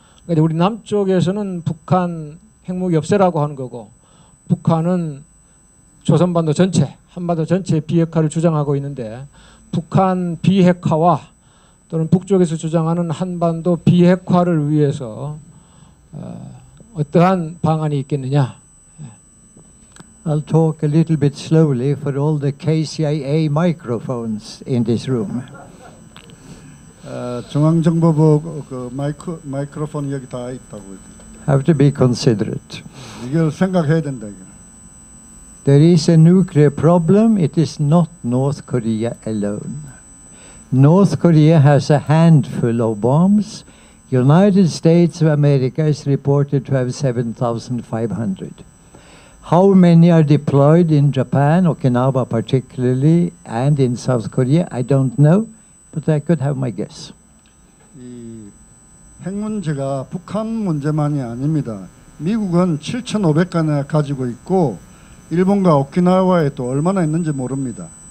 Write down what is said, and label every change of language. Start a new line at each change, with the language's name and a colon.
Korean: 그러니까 우리 남쪽에서는 북한 핵무기 없애라고 하는 거고 북한은 조선반도 전체, 한반도 전체 비핵화를 주장하고 있는데 북한 비핵화와 또는 북쪽에서 주장하는 한반도 비핵화를 위해서 어떠한 방안이 있겠느냐?
English: I'll talk a little bit slowly for all the KCIA microphones in this room.
Korean: 중앙정보부 그 마이크로폰 여기 다 있다고.
English: Have to be considerate.
Korean: 이걸 생각해야 된다.
English: There is a nuclear problem. It is not North Korea alone. North Korea has a handful of bombs. United States of America is reported to have 7,500. How many are deployed in Japan, Okinawa particularly, and in South Korea? I don't know, but I could have my guess.
Korean: 이 핵 문제가 북한 문제만이 아닙니다. 미국은 7,500개나 가지고 있고 일본과 오키나와에 또 얼마나 있는지 모릅니다.